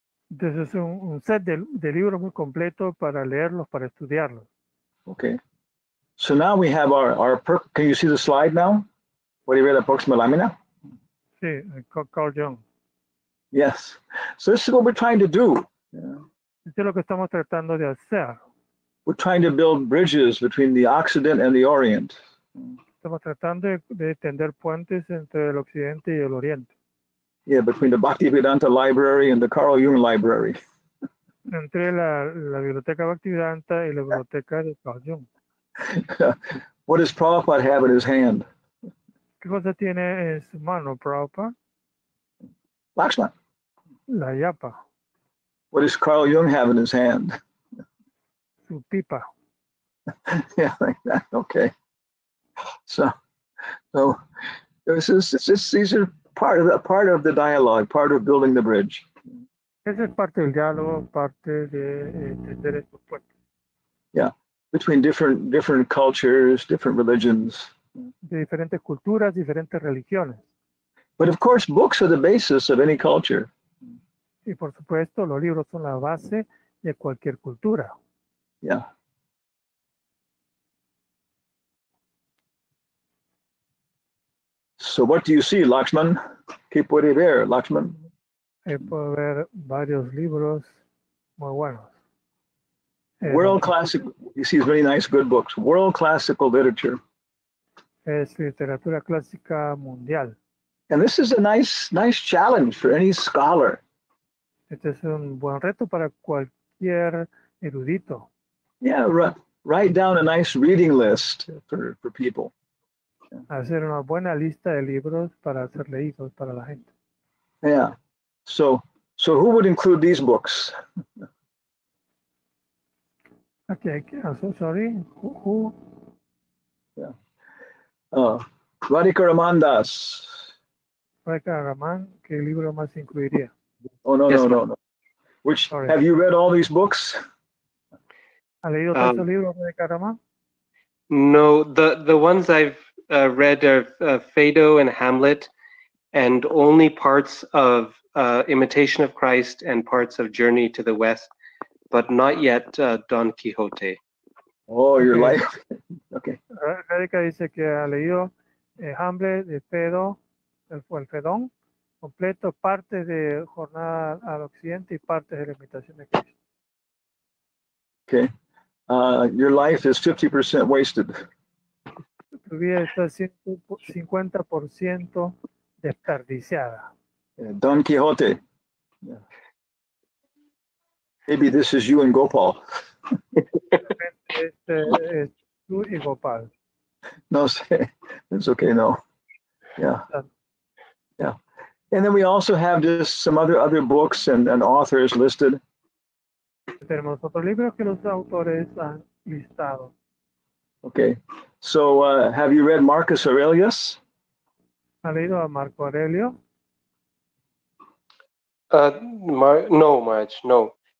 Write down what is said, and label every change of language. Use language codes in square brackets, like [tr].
[en] This is [es] un set de libros muy completo para leerlos, para estudiarlos. [en] Okay. So now we have our can you see the slide now? What do you read, [es] la próxima lámina? Sí, Carl Jung. [en] Yes. So this is what we're trying to do. [es] Esto es lo que estamos tratando de hacer. [en] We're trying to build bridges between the Occident and the Orient. [es] Estamos tratando de tender puentes entre el Occidente y el Oriente. [en] Yeah, between the Bhaktivedanta Library and the Carl Jung Library. [es] Entre la biblioteca Bhaktivedanta y la biblioteca de Carl Jung. [en] What does Prabhupada have in his hand? [es] ¿Qué cosa tiene en su mano, Prabhupada? [en] Lakshman. [es] La yapa. [en] What does Carl Jung have in his hand? [es] Su pipa. [en] Yeah, like that. Okay. So these are part of the dialogue, part of building the bridge. [es] Esa es parte del diálogo, parte de entender estos puentes. [en] Yeah. Between different cultures, different religions. [es] De diferentes culturas, diferentes religiones. [en] But of course, books are the basis of any culture. [es] Y por supuesto, los libros son la base de cualquier cultura. [en] Yeah. So what do you see, Lakshman? [es] ¿Qué puede ver, Lakshman? Puedo ver varios libros muy buenos. [en] World classic, he sees really nice, good books. World classical literature. [es] Es literatura clásica mundial. [en] And this is a nice challenge for any scholar. [es] Este es un buen reto para cualquier erudito. [en] Yeah, write down a nice reading list for people. [es] Hacer una buena lista de libros para ser leídos para la gente. [en] Yeah. So who would include these books? Radhika Ramandas. [es] Radhika Raman, ¿qué libro más incluiría? [en] Have you read all these books? [es] ¿Ha leído todos los libros, Radhika Raman? [en] No, the ones I've read are Phaedo and Hamlet, and only parts of Imitation of Christ and parts of Journey to the West, but not yet Don Quixote. Oh, your life. Okay. [es] Radhika dice que ha leído Hamlet, de Phaedo, el Fedón, completo, parte de Jornada al Occidente y parte de la Imitación de Cristo. [en] Okay. Your life is 50% wasted. [es] Tu vida está 50% desperdiciada. [en] Don Quixote. Yeah. Maybe this is you and Gopal. [es] Este es tú y Gopal. No sé. [en] It's okay, no. Yeah. Yeah. And then we also have just some other books and authors listed. [es] Tenemos otros libros que los autores han listado. [en] Okay. So have you read Marcus Aurelius? [es] ¿Ha leído a Marco Aurelio? [en] No.